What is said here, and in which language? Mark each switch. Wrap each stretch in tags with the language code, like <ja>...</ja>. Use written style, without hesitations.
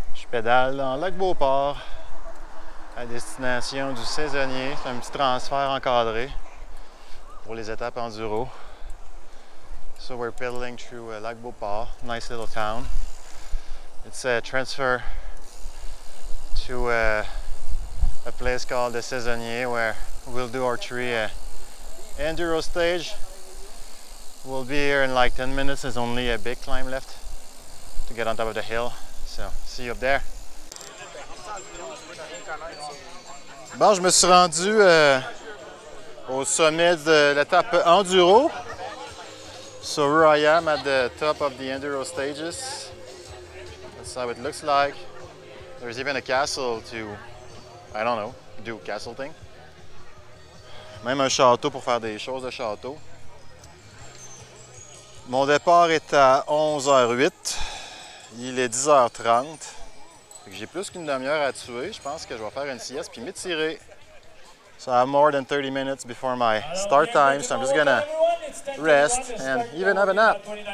<fr>Pédale dans Lac-Beauport à destination du saisonnier. C'est un petit transfert encadré pour les étapes enduro.</fr> <en>So we're pedaling through Lac-Beauport, nice little town. It's a transfer to a place called the saisonnier where we'll do our three enduro stage. We'll be here in like 10 minutes. There's only a big climb left to get on top of the hill. So see you up there.</en> <fr>Bon, je me suis rendu au sommet de l'étape enduro.</fr> <en>So here I am at the top of the enduro stages. That's how it looks like. There's even a castle to, I don't know, do castle thing.</en> <fr>Même un château pour faire des choses de château. Mon départ est à 11h08. Il est 10h30. J'ai plus qu'une demi-heure à tuer. Je pense que je vais faire une sieste puis m'étirer.</fr> <en>So I have more than 30 minutes before my start time, so I'm just gonna rest and even have a nap.</en>